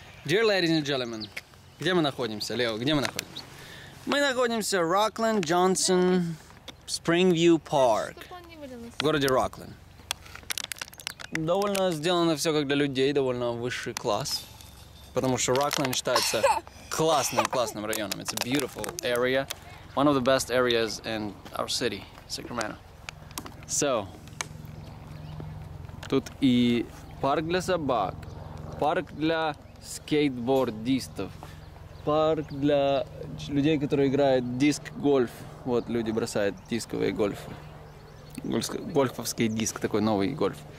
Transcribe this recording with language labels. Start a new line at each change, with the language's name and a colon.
English: Dear ladies and gentlemen,
Russian: где мы находимся, Лео, где мы находимся? Мы находимся в Rockland Johnson Springview Park, в городе Rockland. Довольно сделано все как для людей, довольно высший класс, потому что Rockland считается классным районом.
English: It's a beautiful area, one of the best areas in our city, Sacramento.
Russian: So, тут и парк для собак, парк для скейтбордистов, парк для людей, которые играют диск-гольф. Вот люди бросают дисковые гольфы. Гольфовский диск, такой новый гольф.